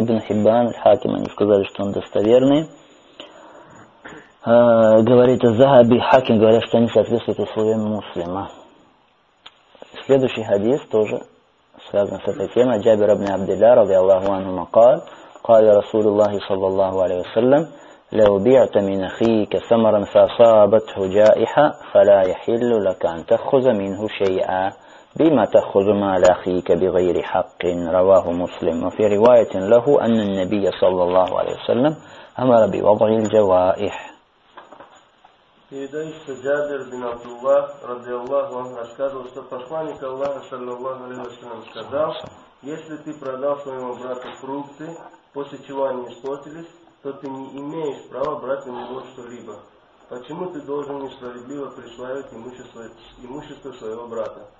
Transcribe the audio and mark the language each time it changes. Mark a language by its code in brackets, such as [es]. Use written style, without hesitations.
[ru] Ибн Хиббан, Хаким, они сказали, что он достоверный. Говорит Захаби, Хаким, говорят, что они соответствуют условиям муслима. Следующий хадис тоже связан с этой темой. Джабир ибн Абдилля, [ar] ради Аллаху анху, макал. Кали Расулу Аллахи, саллаллаху алейхи ва саллям. لو بعت من أخيك ثمرا فصابته جائحة فلا يحل لك أن تأخذ منه شيئا بما تأخذ مال أخيك بغير حق رواه مسلم وفي رواية له أن النبي صلى الله عليه وسلم أمر بوضع الجوائح. [ru] Передаю, что Джабир бин Абдуллах, ради Аллаху, он рассказывал, что посланник Аллаха, саллаллаху алейхи ва саллям, сказал, если ты продал своему брату фрукты, после чего они испортились, то ты не имеешь права брать у него что-либо. Почему ты должен несправедливо присваивать имущество своего брата?